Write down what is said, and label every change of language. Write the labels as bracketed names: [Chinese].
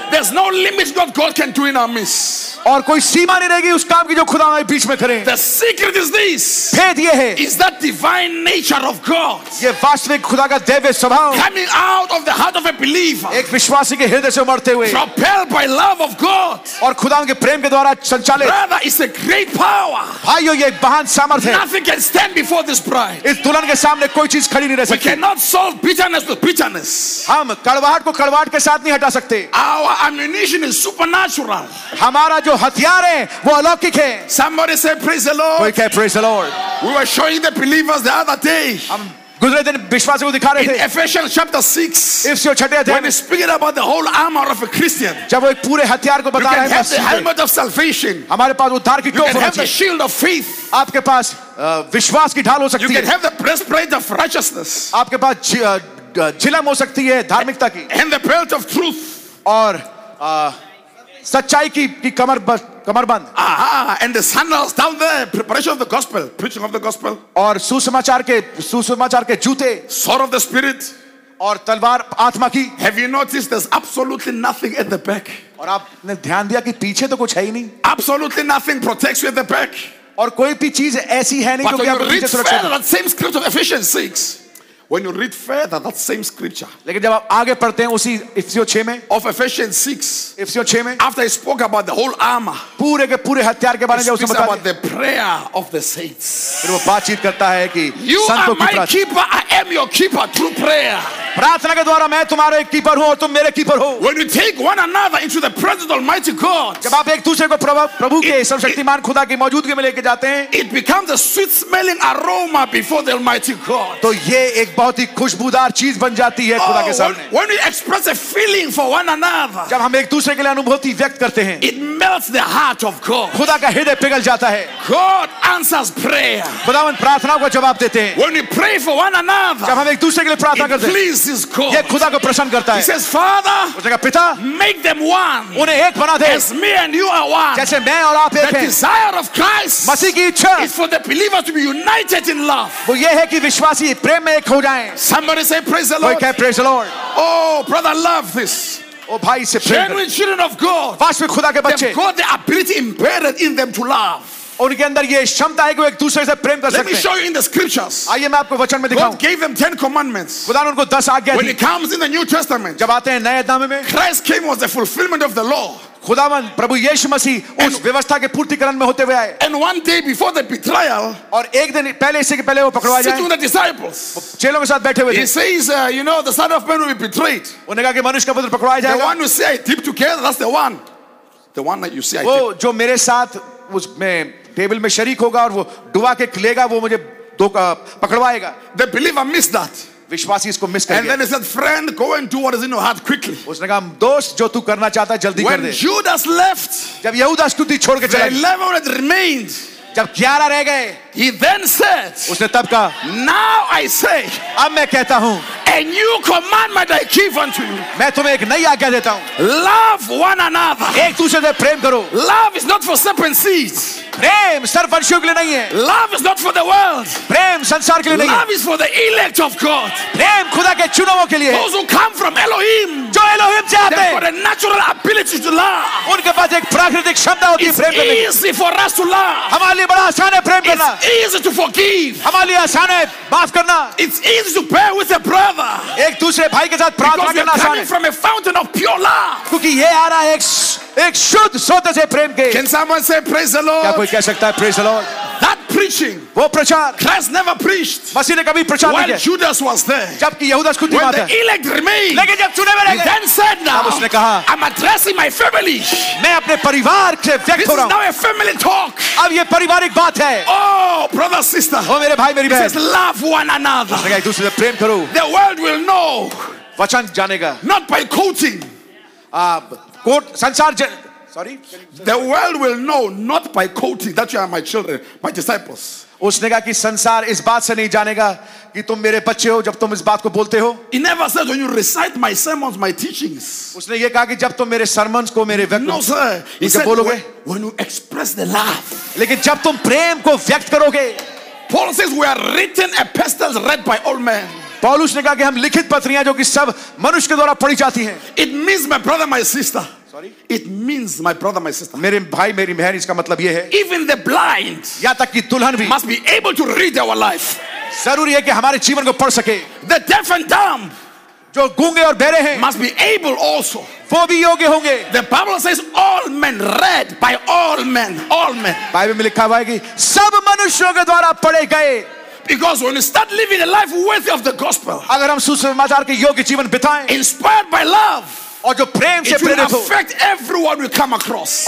[English] There's no limit what God can do in our midst. [Hindi] और कोई सीमा नहीं रहेगी उस काम की जो खुदा हमारे बीच में करें. [English] The secret is this. [Hindi] भेद ये है. [English] Is that divine nature of God. God. [Hindi] ये वास्तविक खुदा का दैवीय स्वभाव. [English] Coming out of the heart of a believer. [Hindi] एक विश्वासी के हृदय से उमड़ते हुए. [English] Propelled by love of God. [Hindi] और खुदा के प्रेम के द्वारा संचालित. [English] Brother, it's a great power. [Hindi] भाइयों ये महान सामर्थ्य है. [English] Nothing can stand before this bride. [Hindi] इस दुल्हन के सामने कोई चीज खड़ी नहीं रह सकती. [English] We cannot solve bitterness with bitterness. [Hindi] हम कड़वाहट को कड़वाहट के साथ नहीं हटा सकते. [English] Our ammunition is supernatural. [Hindi] हमारा जो हथियार है वो अलौकिक है. [English] Somebody say praise the Lord. We can praise the Lord. We were showing the believers the other day. [Hindi] गुजरे दिन विश्वास को दिखा रहे थे. [English] In Ephesians chapter 6. [Hindi] इफिसियों छठे अध्याय. [English] When speaking about the whole armor of a Christian. [Hindi] जब वो एक पूरे हथियार को बता रहे हैं. [English] You can have the helmet of salvation. [Hindi] हमारे पास उद्धार की टोपी है. [English] You can have the shield of faith. [Hindi] आपके पास विश्वास की ढाल हो सकती है. [English] You can have the breastplate of righteousness. [Hindi] आपके पास झिलम हो सकती है धार्मिकता की. [English] And the belt of truth. [Hindi] और सच्चाई की कमरबंद. [English] And the sandals down there, preparation of the gospel, preaching of the gospel. [Hindi] और सुसमाचार के जूते. [English] Sword of the spirit. [Hindi] और तलवार आत्मा की. [English] Have you noticed there's absolutely nothing at the back? [Hindi] और आपने ध्यान दिया कि पीछे तो कुछ है ही नहीं. [English] Absolutely nothing protects you at the back. [Hindi] और कोई भी चीज ऐसी है नहीं जो कि आपको पीछे सुरक्षा दे. [English] That same script of Ephesians 6. When you read further, that same scripture. [Hindi] लेकिन जब आप आगे पढ़ते हैं उसी इफिसियों 6 में. [English] Of Ephesians 6. [Hindi] इफिसियों 6 में. [English] After he spoke about the whole armor. [Hindi] पूरे के पूरे हथियार के बारे में उसने बताया. [English] About the prayer of the saints. [Hindi] फिर वो बातचीत करता है कि संतों की प्रार्थना. [English] You are my keeper. I am your keeper through prayer. [Hindi] प्रार्थना के द्वारा मैं तुम्हारे एक कीपर हूँ और तुम मेरे कीपर हो. [English] When you take one another into the presence of the Almighty God. [Hindi] जब आप एक दूसरे को प्रभु के सर्वशक्तिमान खुदा की मौजूदगी में लेके जाते हैं. [English] It becomes a sweet smelling aroma before the Almighty God. [Hindi] तो ये एक बहुत ही खुशबूदार चीज बन जाती है खुदा के सामने. [English] When we express a feeling for one another, [Hindi] जब हम एक दूसरे के लिए अनुभूति व्यक्त करते हैं, [English] it melts the heart of God. [Hindi] खुदा का हृदय पिघल जाता है. [English] God answers prayer. [Hindi] खुदावन प्रार्थना का जवाब देते हैं. [English] When we pray for one another, [Hindi] जब हम एक दूसरे के लिए प्रार्थना करते हैं, [English] it pleases God. [Hindi] ये खुदा को प्रसन्न करता है. [English] He says, Father, [Hindi] उसने कहा पिता, [English] make them one. [Hindi] उन्हें एक बना दे. [English] As me and you are one. [Hindi] जैसे मैं और आप एक हैं. [English] The desire of Christ, [Hindi] मसीह की इच्छा, [English] is for the believers to be united in love. [Hindi] वो ये है कि विश्वासी प्रेम में एक हो. [English] Somebody say praise the Lord. Okay, praise the Lord. Oh, brother, love this. [Hindi] Oh, bhai, se [English] genuine children of God. [Hindi] Vashme khuda ke bache. [English] They've got the ability embedded in them to love. [Hindi] उनके अंदर ये क्षमता है कि वो एक दूसरे से प्रेम कर सकते हैं। आइए मैं आपको वचन में दिखाऊं। [English] God gave them 10 commandments. [Hindi] खुदा ने उनको 10 आज्ञा दी। [English] When it comes in the New Testament. [Hindi] जब आते हैं नए नामे में। [English] Christ came was the fulfillment of the law. [Hindi] खुदावन प्रभु यीशु मसीह उस व्यवस्था के पूर्तिकरण में होते हुए आए। [English] And one day before the betrayal. [Hindi] और एक दिन पहले इसी के पहले वो पकड़वाए जाए। [English] Sitting with the disciples. [Hindi] चेलों के साथ बैठे हुए थे। [English] He says, you know, the Son of Man will be betrayed. [Hindi] उन्हें कहा कि मनुष्य का पुत्र पकड़वाया जाएगा। [English] The one who say I dip together, that's the one. The one that you say I dip. [Hindi] वो जो मेरे साथ उस में टेबल में शरीक होगा और वो डुबा के लेगा वो मुझे पकड़वाएगा। [English] The believer missed that. [Hindi] विश्वासी इसको मिस कर गया। [English] And then he said, friend, go and do what is in your heart quickly. [Hindi] उसने कहा, दोस्त जो तू करना चाहता है जल्दी कर दे। [English] When Judas left, [Hindi] जब यहूदा स्तुती छोड़ के चला गया। [English] 11 had remained. [Hindi] जब 11 रह गए। [English] He then said, [Hindi] उसने तब कहा, [English] now I say, [Hindi] अब मैं कहता हूँ, [English] a new commandment I give unto you. [Hindi] मैं तुम्हें एक नई आज्ञा देता हूँ। [English] Love one another. [Hindi] एक दूसरे से प्रेम करो। [English] Love is not for serpent seeds. [Hindi] प्रेम सिर्फ वंशियों के लिए नहीं है। [English] Love is not for the world. [Hindi] प्रेम संसार के लिए नहीं है। [English] Love is for the elect of God. [Hindi] प्रेम खुदा के चुनावों के लिए। [English] Those who come from Elohim. [Hindi] जो Elohim से आते हैं। [English] They've got a natural ability to love. [Hindi] उनके पास एक प्राकृतिक क्षमता होती है प्रेम करने की। [English] It's easy for us to love. [Hindi] हमारे लिए बड़ा आसान है प्रेम करना। [English] It's easy to forgive. [Hindi] हमारे लिए आसान है माफ करना। [English] It's easy to bear with a brother. [Hindi] एक दूसरे भाई के साथ प्रार्थना करना आसान है। [English] Because you're coming from a fountain of pure love. [Hindi] क्योंकि ये आ रहा है एक शुद्ध सोते से प्रेम के। [English] Can someone say praise the Lord? [Hindi] क्या कोई कह सकता है [English] praise the Lord? That preaching. [Hindi] वो प्रचार। [English] Christ never preached. [Hindi] मसीह ने कभी प्रचार नहीं किया। [English] While Judas was there. [Hindi] जबकि यहूदा स्कूटी में था। [English] When the elect remained. [Hindi] लेकिन जब चुने हुए रह गए। [English] Then said now. [Hindi] तब उसने कहा। [English] I'm addressing my family. [Hindi] मैं अपने परिवार के व्यक्ति हो रहा हूँ। [English] This is now a family talk. [Hindi] अब ये पारिवारिक बात है। [English] Oh, brother, sister. [Hindi] ओ मेरे भाई मेरी बहन। [English] Says love one another. [Hindi] उसने कहा एक दूसरे से प्रेम करो। [English] The world will know. [Hindi] वचन जानेगा। [English] Not by quoting. The world will know not by quoting that you are my children, my disciples. [Hindi] उसने कहा कि संसार इस बात से नहीं जानेगा कि तुम मेरे बच्चे हो जब तुम इस बात को बोलते हो। [English] He never said when you recite my sermons, my teachings. [Hindi] उसने ये कहा कि जब तुम मेरे sermons को मेरे व्यक्त [English] no, sir. He said, [Hindi] बोलोगे। [English] When you express the love. [Hindi] लेकिन जब तुम प्रेम को व्यक्त करोगे। [English] Paul says we are written epistles read by all men. [Hindi] पौलुस ने कहा कि हम लिखित पत्रियां जो कि सब मनुष्य के द्वारा पढ़ी जाती हैं। [English] It means my brother, my sister. Sorry? It means my brother, my sister. [Hindi] मेरे भाई मेरी बहन इसका मतलब ये है। [English] Even the blind. [Hindi] या तक कि दुल्हन भी। [English] Must be able to read our life. [Hindi] जरूरी है कि हमारे जीवन को पढ़ सके. [English] The deaf and dumb [Hindi] जो गूंगे और बहरे हैं [English] must be able also [Hindi] वो भी योग्य होंगे. [English] The Bible says all men read by all men [Hindi] Bible में लिखा हुआ है कि सब मनुष्यों के द्वारा पढ़े गए. [English] Because when you start living a life worthy of the gospel, [Hindi] अगर हम सुसमाचार के योग्य जीवन बिताएं, [English] inspired by love, [Hindi] और जो प्रेम से प्रेरित हो, [English] it will affect everyone you come across.